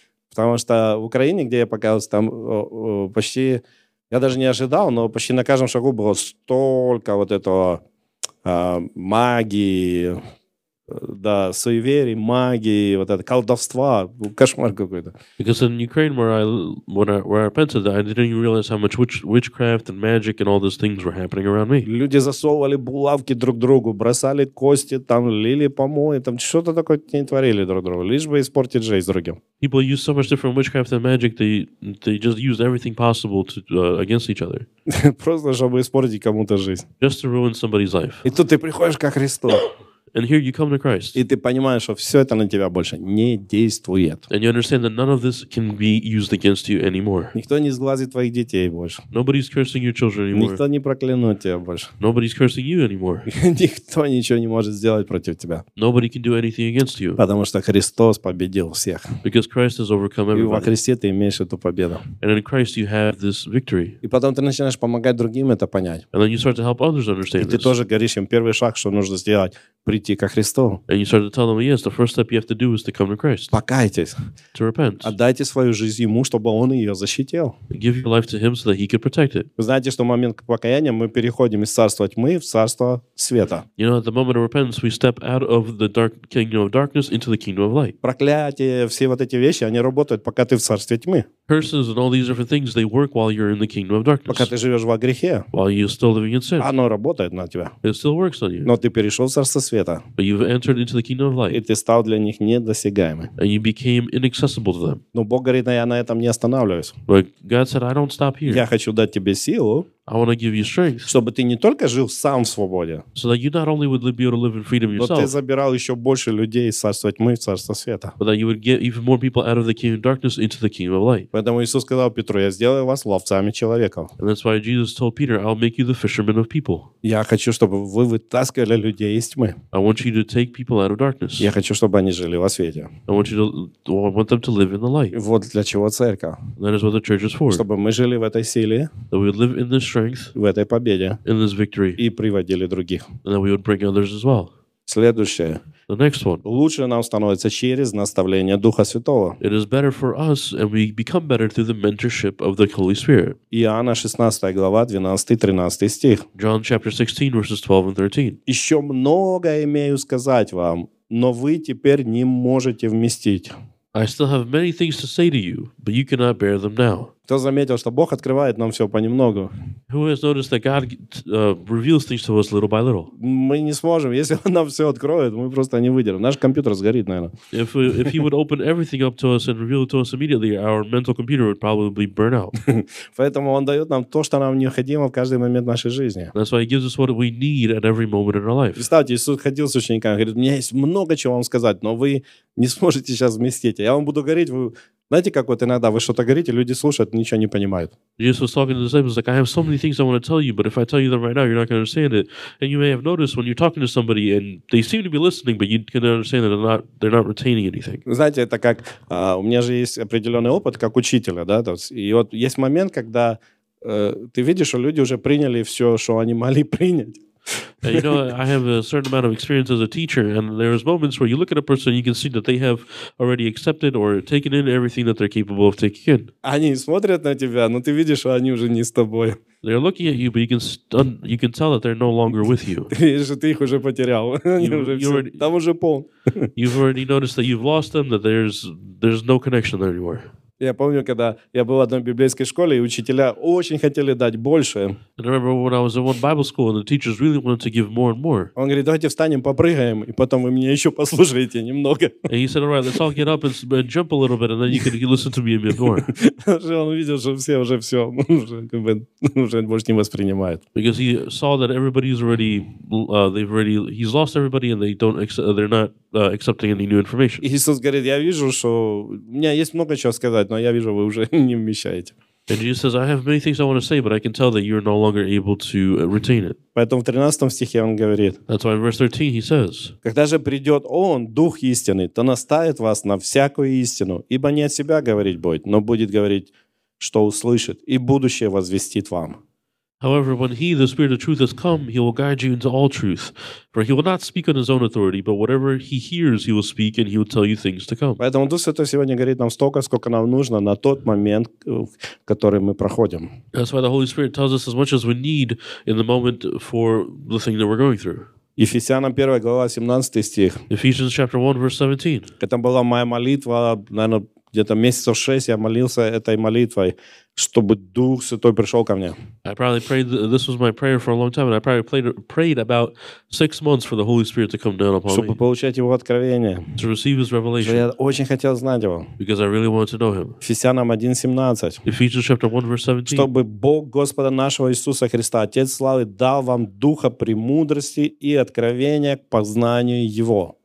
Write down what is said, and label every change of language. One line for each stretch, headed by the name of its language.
Russian: Потому что в Украине, где я показывался, там почти, я даже не ожидал, но почти на каждом шагу было столько вот этого... магии, да, суеверий, магии, вот это колдовства, кошмар какой-то.
English: Because in Ukraine, where I pensed, I didn't even realize how much witchcraft and magic and all those things were happening around me.
Russian: Люди засовывали булавки друг другу, бросали кости, там лили помои, там что-то такое не творили друг другу, лишь бы испортить жизнь другим.
English: People use so much different witchcraft and magic, they just use everything possible to, against each other.
Russian: Просто, чтобы испортить кому-то жизнь.
English: Just to ruin somebody's life.
Russian: И тут ты приходишь ко Христу.
English: And here you come to Christ.
Russian: И ты понимаешь, что все это на тебя больше не действует.
English: And you understand that none of this can be used against you anymore.
Russian: Никто не сглазит твоих детей больше.
English: Nobody's cursing your children anymore.
Russian: Никто не проклянет тебя больше.
English: Nobody's cursing you anymore.
Russian: Никто ничего не может сделать против тебя.
English: Nobody can do anything against you.
Russian: Потому что Христос победил всех.
English: Because Christ has overcome everybody.
Russian: И во Христе ты имеешь эту победу.
English: And in Christ you have this victory.
Russian: И потом ты начинаешь помогать другим это понять.
English: And then you start to help others understand this.
Russian: И ты тоже говоришь им первый шаг, что нужно сделать.
English: And you start to tell them, yes, the first step you have to do is to come to Christ.
Russian: Покайтесь.
English: To repent.
Russian: Отдайте свою жизнь ему, чтобы он ее защитил.
English: Give your life to him so that he could protect it.
Russian: Вы знаете, что в момент покаяния мы переходим из царства тьмы в царство света.
English: You know, at the moment of repentance, we step out of the dark kingdom of darkness into the kingdom of light.
Russian: Проклятие, все вот эти вещи, они работают, пока ты в царстве тьмы.
English: Curses and all these different things, they work while you're in the kingdom of darkness.
Russian: Пока ты живешь во грехе.
English: While you're still living in sin.
Russian: Оно работает на тебя.
English: It still works on you.
Russian: Но ты перешел в царство света.
English: But you've entered into the kingdom of light.
Russian: И ты стал для них недосягаемым.
English: And you became inaccessible to them.
Russian: Но Бог говорит, я на этом не останавливаюсь.
English: But God said, I don't stop here.
Russian: Я хочу дать тебе силу.
English: I want to give you strength.
Russian: Чтобы ты не только жил сам в свободе.
English: So that you not only would be able to live in freedom yourself.
Russian: Но ты забирал еще больше людей из царства тьмы в царство света.
English: But that you would get even more people out of the kingdom of darkness into the kingdom of light.
Russian: Поэтому Иисус сказал Петру, я сделаю вас ловцами человеков.
English: And that's why Jesus told Peter, I'll make you the fishermen of people.
Russian: Я хочу, чтобы вы вытаскивали людей из тьмы.
English: I want you to take people out of darkness.
Russian: Я хочу, чтобы они жили во свете.
English: I want them to live in the light.
Russian: Вот для чего церковь.
English: That is what the church is for.
Russian: Чтобы мы жили в этой силе.
English: That we would live in this strength.
Russian: В этой победе.
English: In this victory.
Russian: И приводили других.
English: And that we would bring others as well.
Russian: Следующее.
English: The next one.
Russian: Лучше нам становится через наставление Духа Святого.
English: It is better for us, and we become better through the mentorship of the Holy Spirit.
Russian: Иоанна 16 глава 12-13 стих.
English: John chapter 16 verses 12 and 13.
Russian: Еще много имею сказать вам, но вы теперь не можете вместить.
English: I still have many things to say to you, but you cannot bear them now.
Russian: Кто заметил, что Бог открывает нам все понемногу?
English: Who has noticed that God reveals things to us little by little?
Russian: Мы не сможем, если Он нам все откроет, мы просто не выдержим. Наш компьютер сгорит, наверное.
English: If He would open everything up to us and reveal it to us immediately, our mental computer would probably burn out.
Russian: Поэтому Он дает нам то, что нам необходимо в каждый момент нашей жизни.
English: That's why He gives us what we need at every moment in our life.
Russian: Представьте, Иисус ходил с учениками, говорит, у меня есть много чего вам сказать, но вы не сможете сейчас вместить. Я вам буду говорить, вы... Знаете, как вот иногда вы что-то говорите, люди слушают, ничего не понимают.
English: Jesus was talking to the disciples, like, I have so many things I want to tell you, but if I tell you them right now, you're not going to understand it. And you may have noticed when you're talking to somebody, and they seem to be listening, but you can understand that they're not retaining anything.
Russian: Знаете, это как, у меня же есть определенный опыт как учителя, да, то есть, и вот есть момент, когда ты видишь, что люди уже приняли все, что они могли принять.
English: You know, I have a certain amount of experience as a teacher, and there's moments where you look at a person, you can see that they have already accepted or taken in everything that they're capable of taking in.
Russian: Они смотрят на тебя, но ты видишь, что они уже не с тобой.
English: They're looking at you, but you can tell that they're no longer with you.
Russian: Ты их уже потерял. Там уже пол.
English: You've already noticed that you've lost them, that there's no connection there anymore.
Russian: Я помню, когда я был в одной библейской школе, и учителя очень хотели дать больше.
English: I remember when I was in one Bible school, and the teachers really wanted to give more and more.
Russian: Он говорит, давайте встанем, попрыгаем, и потом вы меня еще послушаете немного.
English: And he said, all right, let's all get up and jump a little bit, and then you can listen to me a bit more.
Russian: Он увидел, что все уже все, уже больше не воспринимают.
English: Because he saw that everybody is already, he's lost everybody, and they're not accepting any new information.
Russian: Иисус говорит, я вижу, что у меня есть много чего сказать, но я вижу, вы уже не вмещаете.
English: And Jesus says, I have many things I want to say, but I can tell that you're no longer able to retain it.
Russian: Поэтому в 13 стихе он говорит,
English: that's why in verse 13 he says,
Russian: когда же придет Он, Дух истины, то наставит вас на всякую истину, ибо не от себя говорить будет, но будет говорить, что услышит, и будущее возвестит вам.
English: However, when He, the Spirit of truth, has come, He will guide you into all truth. For He will not speak on His own authority, but whatever He hears, He will speak, and He will tell you things to come.
Russian: Поэтому Дух Святой сегодня говорит нам столько, сколько нам нужно на тот момент, который мы проходим.
English: That's why the Holy Spirit tells us as much as we need in the moment for the thing that we're going through.
Russian: Ефесянам 1, глава 17 стих.
English: Ephesians chapter 1, verse 17.
Russian: Это была моя молитва, наверное, где-то месяцев 6 я молился этой молитвой, чтобы Дух Святой пришел ко мне.
English: I probably prayed, this was my prayer for a long time, and I probably prayed about 6 months for the Holy Spirit to come down upon
Russian: чтобы
English: me.
Russian: Получать Его откровение.
English: To receive His revelation.
Russian: Я очень хотел знать Его.
English: Because I really wanted to know Him.
Russian: Ефесянам 1:17.
English: Ephesians chapter 1, verse 17.
Russian: Чтобы Бог Господа нашего Иисуса Христа, Отец Славы, дал вам Духа премудрости и откровения к познанию Его.